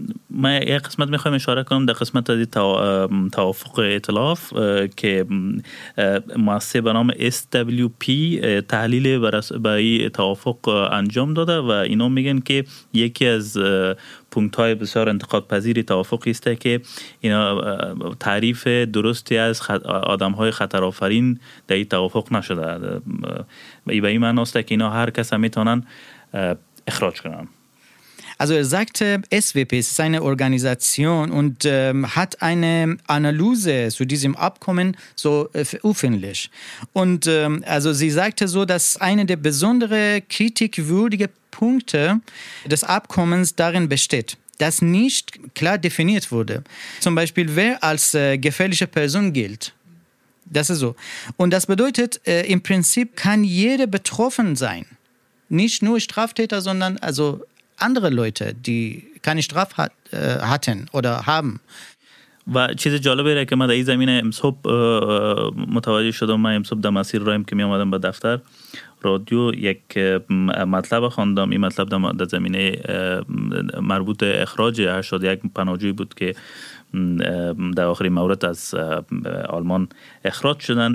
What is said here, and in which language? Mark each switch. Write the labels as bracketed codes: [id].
[fa] من یک قسمت میخوام اشاره کنم در قسمت از توافق ائتلاف که مؤسسه به نام SWP تحلیل به این توافق انجام داده و اینا میگن که یکی از پونکت های بسیار انتقاد پذیری توافقی است که اینا تعریف درستی از آدم های خطرآفرین در این توافق نشده. ای به این معنی است که اینا هر کس هم میتونن اخراج کنن. [de] Also er sagte, SWP ist seine Organisation und hat eine Analyse zu diesem Abkommen so öffentlich. Und also sie sagte so, dass eine der besonderen kritikwürdigen Punkte des Abkommens darin besteht, dass nicht klar definiert wurde. Zum Beispiel, wer als gefährliche Person gilt. Das ist so. Und das bedeutet, im Prinzip kann jeder betroffen sein. Nicht nur Straftäter, sondern also andere Leute, die keine Strafe hatten oder haben. [fa] و چیز جالبی را که من در این زمینه امشب متوجه شدم، من امشب در مسیر رایم که می آمدم به دفتر رادیو یک مطلب خواندم. این مطلب در زمینه مربوط اخراج 81 پناهجوی بود که در آخرین مورد از آلمان اخراج شدن.